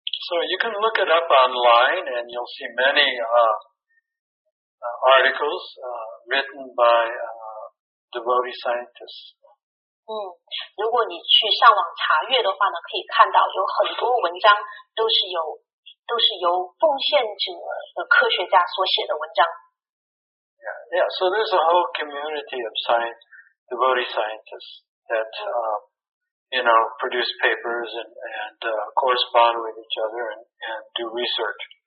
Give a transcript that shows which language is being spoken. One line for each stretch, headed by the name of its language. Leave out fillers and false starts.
English: So you can look it up online and you'll see many articles written by devotee scientists
Chinese: 如果你去上网查阅的话呢可以看到有很多文章都是由奉献者的科学家所写的文章
English: Yeah, so there's a whole community of devotee scientists that, you know, produce papers and correspond with each other and do research.